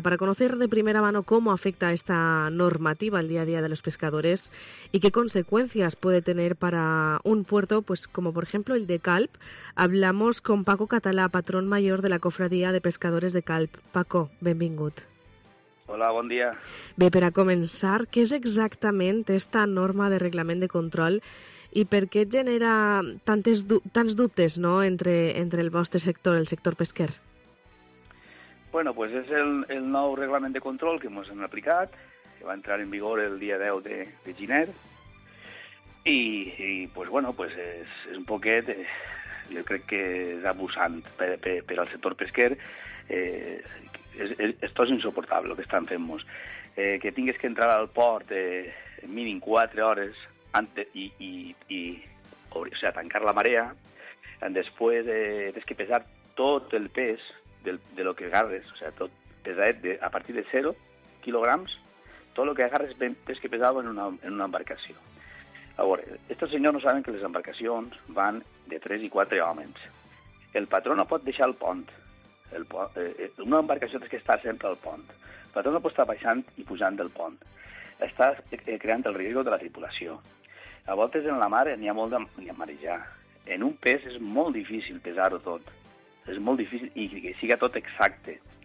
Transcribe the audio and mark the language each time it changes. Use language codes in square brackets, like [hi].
[es] Para conocer de primera mano cómo afecta esta normativa al día a día de los pescadores y qué consecuencias puede tener para un puerto, pues como por ejemplo el de Calp, hablamos con Paco Català, patrón mayor de la Cofradía de Pescadores de Calp. [ca] Paco, benvingut. Hola, bon dia. Bé, per a començar, què és exactament esta norma de reglament de control i per què genera tants dubtes, no?, entre el vostre sector, el sector pesquer? Bueno, pues és el nou reglament de control que ens hem aplicat, que va entrar en vigor el dia 10 de gener. I és un poquet, jo crec que és abusant per al sector pesquer. [es] Esto es insoportable lo que están haciendo. Que tengas que entrar al port mínimo 4 horas antes y [ca] tancar la marea. [es] Después tienes que pesar todo el pes de lo que agarres. O sea, todo pesar a partir de 0 kilogramos. Todo lo que agarres tienes que pesarlo en una embarcación. Ahora, estos señores no saben que las embarcaciones van de 3 y 4 hombres. El patrón no puede dejar el pont. [ca] Una embarcació és que està sempre al pont. Per tant, no pot estar baixant i pujant del pont. Està creant el risc de la tripulació. A voltes en la mar n'hi ha molt de marejar. En un pes és molt difícil pesar-ho tot. És molt difícil i que sigui tot exacte.